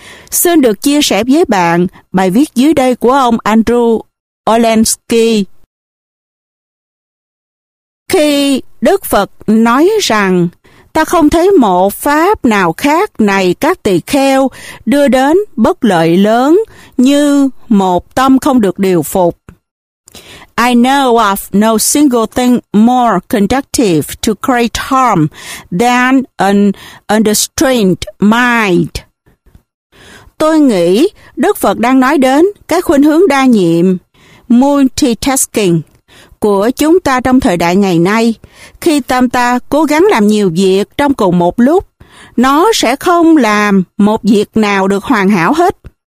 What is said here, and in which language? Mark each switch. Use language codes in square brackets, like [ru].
[vi] Xin được chia sẻ với bạn bài viết dưới đây của ông Andrew Olensky. Khi Đức Phật nói rằng ta không thấy một pháp nào khác này các tỳ kheo đưa đến bất lợi lớn như một tâm không được điều phục. [en] I know of no single thing more conductive to great harm than an unrestrained mind. [vi] Tôi nghĩ Đức Phật đang nói đến các khuynh hướng đa nhiệm, multitasking, của chúng ta trong thời đại ngày nay. Khi tâm ta cố gắng làm nhiều việc trong cùng một lúc, nó sẽ không làm một việc nào được hoàn hảo hết.